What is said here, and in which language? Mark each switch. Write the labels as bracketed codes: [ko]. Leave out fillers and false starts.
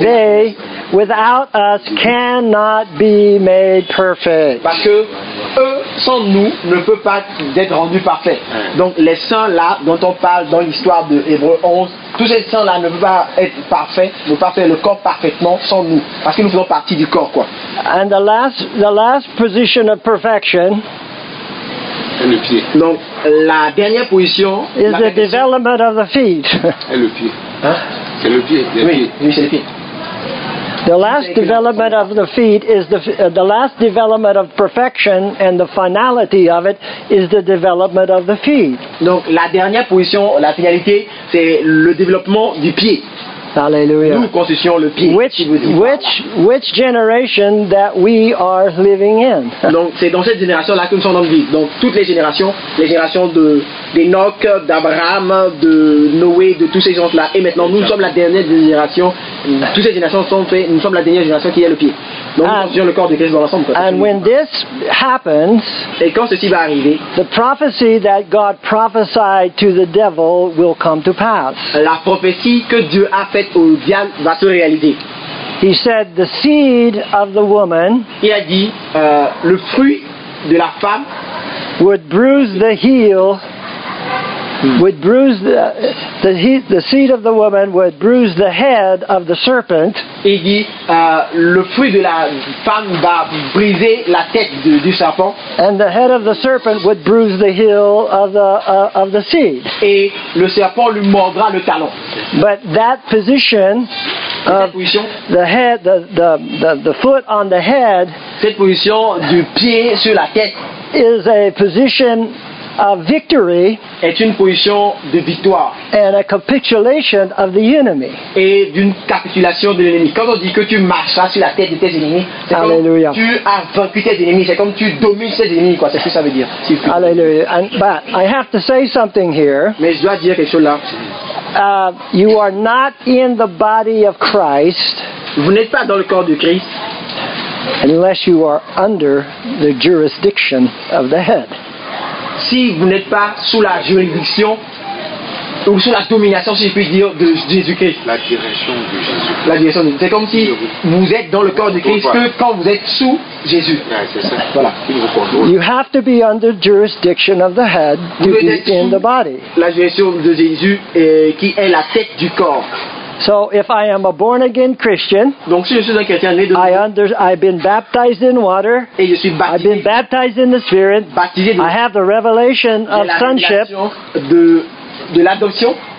[en] Because they without us cannot be made perfect. [fr] Parce que eux sans nous ne peuvent pas être rendus parfaits. Donc les saints là dont on parle dans l'histoire de Hébreux 11, tous ces saints là ne peuvent pas être parfaits, ne peuvent pas faire le corps parfaitement sans nous, parce que nous faisons partie du corps, quoi. [en] And the last position of perfection. [fr] Donc la dernière position [en] is the development of the feet. [fr] Et le pied. Hein? C'est le pied. Oui, c'est le pied. [en] The last development of the feet is the last development of perfection and the finality of it is the development of the feet. [fr] Donc la dernière position, la finalité, c'est le développement du pied. [en] Hallelujah. [fr] Nous constituons le pied. [en] Which generation that we are living in? [fr] Donc c'est dans cette génération là que nous sommes en vie. Donc toutes les générations de d'Enoch, d'Abraham, de Noé, de tous ces gens là. Et maintenant nous sommes la dernière génération. Toutes ces générations sont faites. Nous sommes la dernière génération qui a le pied. Donc nous constituons le corps de Christ dans l'ensemble. [en] Quoi. And when this happens, [fr] et quand ceci va arriver, [en] the prophecy that God prophesied to the devil will come to pass. [fr] La prophétie que Dieu a fait au diable va se réaliser. [en] He said the seed of the woman. [fr] Il a dit le fruit de la femme [en] would bruise the heel. Would bruise the seed of the woman would bruise the head of the serpent. [fr] Il dit le fruit de la femme va briser la tête du serpent. [en] And the head of the serpent would bruise the heel of the seed. [fr] Et le serpent lui mordra le talon. [en] But that position of the head, the foot on the head. [fr] Cette position du pied sur la tête [en] is a position. A victory [fr] est une position de victoire [en] and a capitulation of the enemy. [fr] Et d'une capitulation de l'ennemi. Quand on dit que tu marches sur la tête de tes ennemis, c'est Alleluia. Comme tu as vaincu tes ennemis, c'est comme tu domines tes ennemis, quoi. C'est ce que ça veut dire. Alleluia. [en] And, but I have to say something here. [fr] Mais je dois dire quelque chose là. [en] You are not in the body of Christ. [fr] Vous n'êtes pas dans le corps de Christ. [en] Unless you are under the jurisdiction of the head. [fr] Si vous n'êtes pas sous la juridiction ou sous la domination, si je puis dire, de Jésus-Christ. La direction de Jésus. La direction de Jésus. C'est comme si vous êtes dans le corps de Christ que quand vous êtes sous Jésus. Ouais, c'est ça. Voilà. [en] You have to be under jurisdiction of the head to be in the body. [fr] La juridiction de Jésus qui est la tête du corps. [en] So if I am a born again Christian, [fr] donc si je suis un chrétien né de nouveau, [en] I've been baptized in water, [fr] et je suis baptisé, [en] I've been baptized in the Spirit, [fr] baptisé [en] I have the revelation of [fr] la [en] sonship, [fr] de l'adoption,